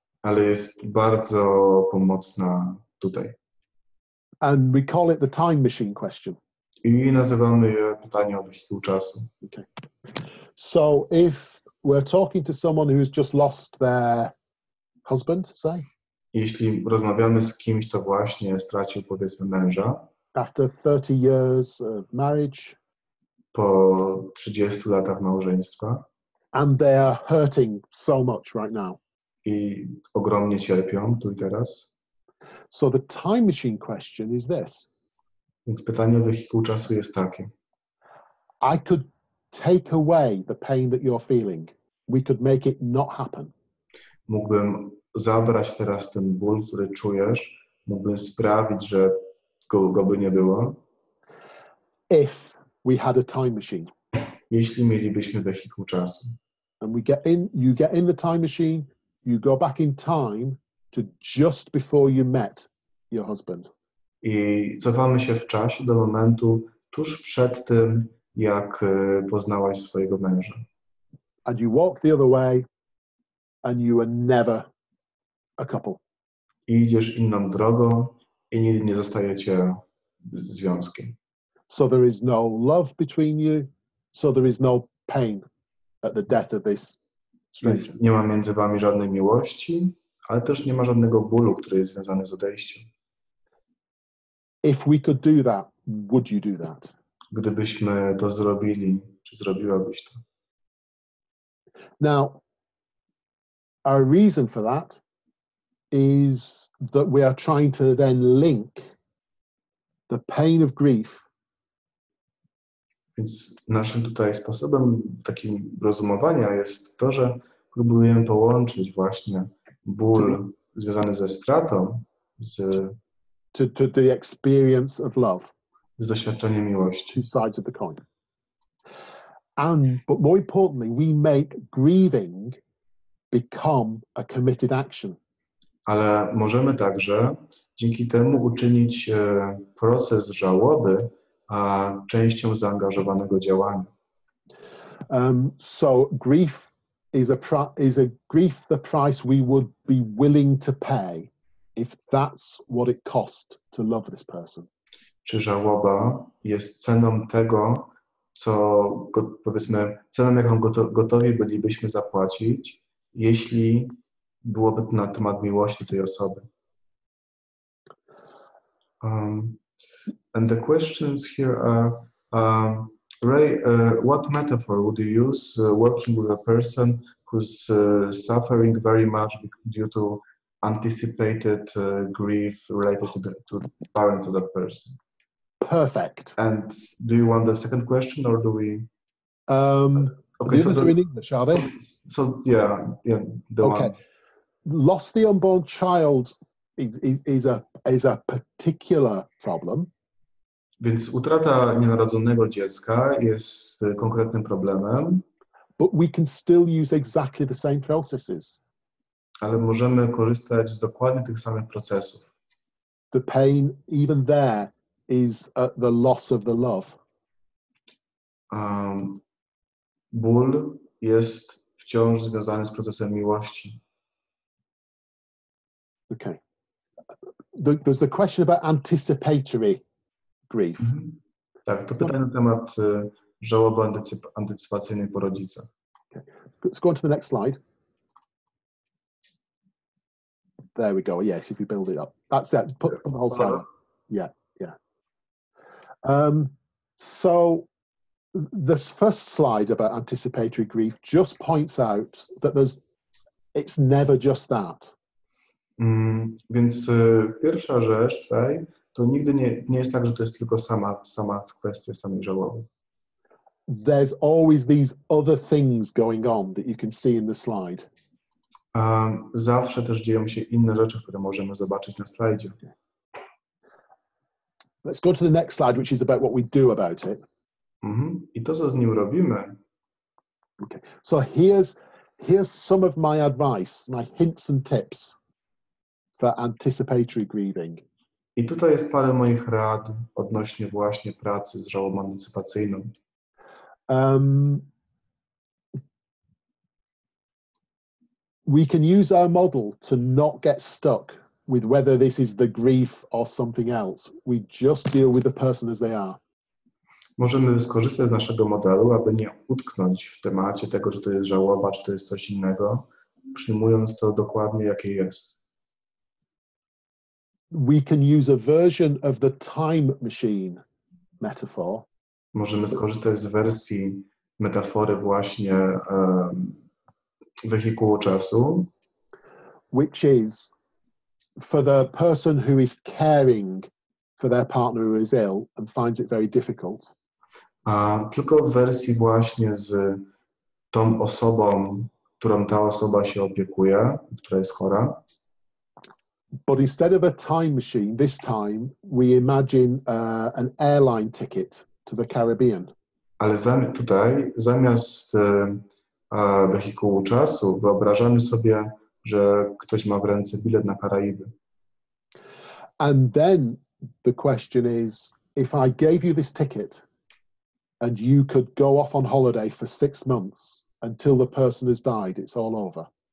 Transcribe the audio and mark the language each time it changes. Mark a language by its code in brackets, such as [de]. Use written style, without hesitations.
[pl] Ale jest bardzo pomocna tutaj. [en] And we call it the time machine question. [pl] I nazywamy je pytanie o wehikuł czasu. [en] Okay. So if we're talking to someone who's just lost their husband, say. [pl] Jeśli rozmawiamy z kimś, kto właśnie stracił, powiedzmy, męża. [en] After 30 years of marriage. [pl] Po 30 latach małżeństwa. [en] And they are hurting so much right now. [pl] I ogromnie cierpią tu i teraz. [en] So the time machine question is this. [pl] Więc pytanie o wehikuł czasu jest takie. [en] I could take away the pain that you're feeling. We could make it not happen. [pl] Mógłbym zabrać teraz ten ból, który czujesz. Mógłbym sprawić, że go by nie było. [en] If we had a time machine. [pl] Jeśli mielibyśmy wehikuł czasu. [en] And we get in, you get in the time machine, you go back in time to just before you met your husband. [pl] I cofamy się w czasie do momentu tuż przed tym, jak poznałaś swojego męża. [en] And you walk the other way and you are never a couple. [pl] I idziesz inną drogą i nigdy nie zostajecie związki. [en] So there is no love between you, so there is no pain at the death of this stranger. [pl] Więc nie ma między wami żadnej miłości, ale też nie ma żadnego bólu, który jest związany z odejściem. [en] If we could do that, would you do that? [pl] Gdybyśmy to zrobili, czy zrobiłabyś to? [en] Now, our reason for that is that we are trying to then link the pain of grief. [pl] Więc naszym tutaj sposobem takim rozumowania jest to, że próbujemy połączyć właśnie ból związany ze stratą z [en] to the experience of love. [pl] Z doświadczeniem miłości. [en] Two sides of the coin. And but more importantly, we make grieving become a committed action. Ale możemy także dzięki temu uczynić proces żałoby a częścią zaangażowanego działania. So grief is a grief the price we would be willing to pay if that's what it cost to love this person. Czy żałoba jest ceną tego, co powiedzmy, ceną, jaką gotowi bylibyśmy zapłacić, jeśli byłoby to na temat miłości tej osoby? And the questions here are, Ray, what metaphor would you use working with a person who's suffering very much due to anticipated grief related to the parents of that person? Perfect. And do you want the second question, or do we? Okay, the others are in English, are they? So yeah, the okay. Lost the unborn child is a particular problem. [pl] Więc utrata nienarodzonego dziecka jest konkretnym problemem. [en] But we can still use exactly the same processes. [pl] Ale możemy korzystać z dokładnie tych samych procesów. [en] The pain, even there. Is the loss of the love. [pl] Ból jest wciąż związany z procesem miłości. [en] Okay. There's the question about anticipatory grief. Mm-hmm. [pl] Tak, to pytanie na temat żałoby antycypacyjnej po rodzicach. [en] Okay. Let's go on to the next slide. There we go. Yes, if you build it up. That's it. Put the whole slide up. Yeah. So this first slide about anticipatory grief just points out that it's never just that. [pl] Więc pierwsza rzecz tutaj to nigdy nie jest tak, że to jest tylko sama kwestia samej żałoby. [en] There's always these other things going on that you can see in the slide. [pl] Zawsze też dzieją się inne rzeczy, które możemy zobaczyć na slajdzie. [en] Let's go to the next slide, which is about what we do about it. [pl] Mm-hmm. I to, co z nim robimy. [en] Okay. So here's some of my advice, my hints and tips for anticipatory grieving. [pl] I tutaj jest parę moich rad odnośnie właśnie pracy z żałobą antycypacyjną. [en] We can use our model to not get stuck with whether this is the grief or something else. We just deal with the person as they are. [pl] Możemy skorzystać z naszego modelu, aby nie utknąć w temacie tego, że to jest żałoba, czy to jest coś innego, przyjmując to dokładnie, jakie jest. [en] We can use a version of the time machine metaphor. [pl] Możemy skorzystać z wersji metafory właśnie wehikułu czasu. [en] Which is for the person who is caring for their partner who is ill and finds it very difficult. [pl] Tylko w wersji właśnie z tą osobą, którą ta osoba się opiekuje, która jest chora. [en] But instead of a time machine, this time we imagine an airline ticket to the Caribbean. [pl] Ale zamiast wehikułu czasu wyobrażamy sobie, że ktoś ma w ręce bilet na Karaiby. [en] And then the question is, if I gave you this ticket and you could go off on holiday for 6 months until the person has died, it's all over.